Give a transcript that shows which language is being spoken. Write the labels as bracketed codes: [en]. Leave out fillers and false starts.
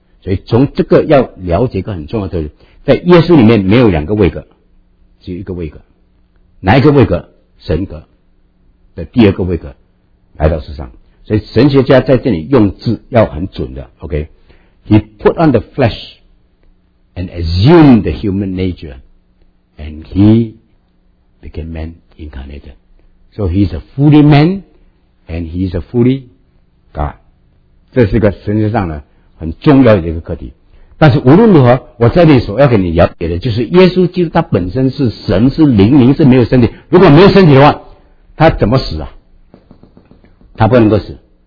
[zh] 所以从这个要了解一个很重要的，在耶稣里面没有两个位格，只有一个位格。哪一个位格？神格的第二个位格来到世上。所以神学家在这里用字要很准的。 [en] OK， He put on the flesh。 And assumed the human nature, and he became man incarnated. So he is a fully man, and he is a fully God. [zh] 这是一个神学上呢很重要的一个课题。但是无论如何，我在这里所要给你了解的就是，耶稣基督他本身是神，是灵，灵是没有身体。如果没有身体的话，他怎么死啊？他不能够死。